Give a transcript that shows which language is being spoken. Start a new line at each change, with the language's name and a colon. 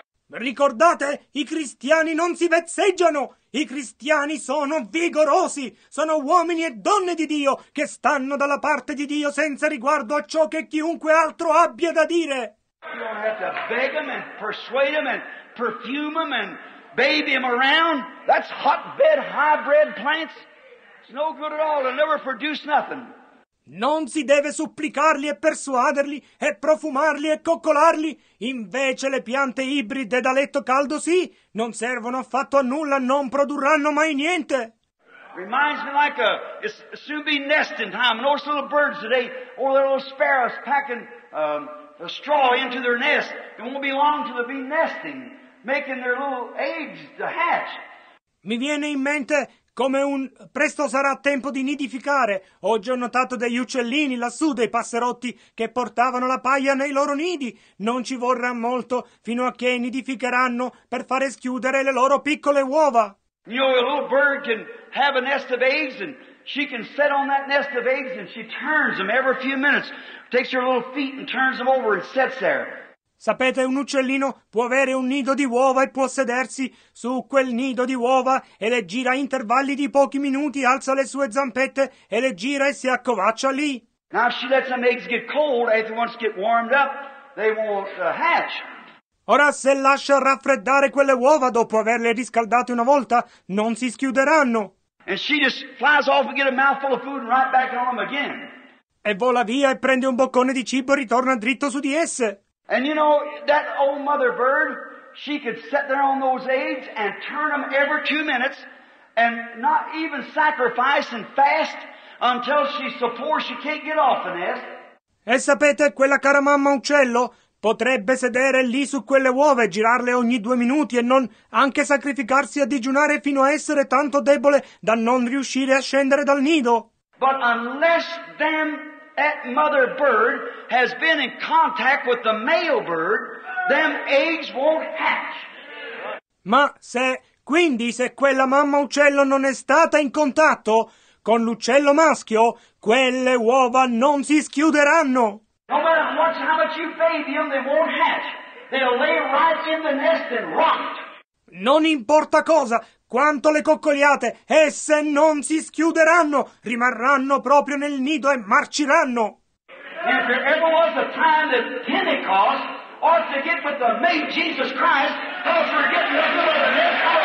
Italian: Ricordate, i cristiani non si vezzeggiano, i cristiani sono vigorosi, sono uomini e donne di Dio che stanno dalla parte di Dio senza riguardo a ciò che chiunque altro abbia da dire.
English: You don't have to beg them and persuade them and perfume them and baby them around. That's hotbed hybrid plants. It's no good at all, they'll never produce nothing.
Italian: Non si deve supplicarli e persuaderli e profumarli e coccolarli. Invece le piante ibride da letto caldo sì, non servono affatto a nulla, non produrranno mai niente.
English: Reminds me like a, it's soon be nesting time. Those little birds today, or little sparrows packing the straw into their nest. It won't be long till they'll be nesting, making their little eggs to hatch.
Italian: Mi viene in mente come un presto sarà tempo di nidificare. Oggi ho notato degli uccellini lassù, dei passerotti che portavano la paglia nei loro nidi. Non ci vorrà molto fino a che nidificheranno per fare schiudere le loro piccole uova.
English: You know, a little bird can have a nest of eggs and she can sit on that nest of eggs and she turns them every few minutes. Takes her little feet and turns them over and sits there.
Italian: Sapete, un uccellino può avere un nido di uova e può sedersi su quel nido di uova e le gira a intervalli di pochi minuti, alza le sue zampette e le gira e si accovaccia lì.
English: Now she lets them eggs get cold, and once get warmed up, they won't hatch.
Italian: Ora se lascia raffreddare quelle uova dopo averle riscaldate una volta, non si schiuderanno.
English: And she just flies off and get a mouthful of food and right back on them again.
Italian: E vola via e prende un boccone di cibo e ritorna dritto su di esse.
English: And you know, that old mother bird, she could sit there on those eggs and turn them every 2 minutes and not even sacrifice and fast until she's so poor she can't get off the nest.
Italian: E sapete, quella cara mamma uccello potrebbe sedere lì su quelle uova e girarle ogni 2 minuti e non anche sacrificarsi a digiunare fino a essere tanto debole da non riuscire a scendere dal nido.
English: But unless them... that mother bird has been in contact with the male bird, them eggs won't hatch.
Italian: Ma se, quindi, se quella mamma uccello non è stata in contatto con l'uccello maschio, quelle uova non si schiuderanno.
English: No matter how much you feed them, they won't hatch. They'll lay right in the nest and rot.
Italian: Non importa cosa, quanto le coccoliate, esse non si schiuderanno, rimarranno proprio nel nido e marciranno.
English: If there ever was a time that Pentecost ought to get with the mate Jesus Christ, how's forgetting the middle of the nest?